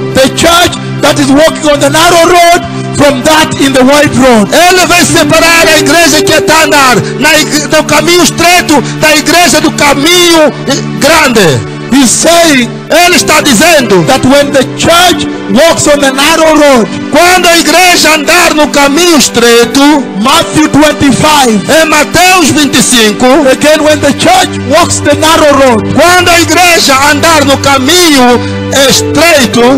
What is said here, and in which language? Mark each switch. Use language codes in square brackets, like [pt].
[en] the church that is walking on the narrow road from that in the wide road. [pt] Ele vai separar a igreja que está andar no caminho estreito da igreja do caminho grande. [en] He say, [pt] ele está dizendo, [en] that when the church walks on the narrow road, [pt] quando a igreja andar no caminho estreito, [en] Matthew 25, [pt] em Mateus 25, [en] again when the church walks the narrow road, [pt] quando a igreja andar no caminho estreito,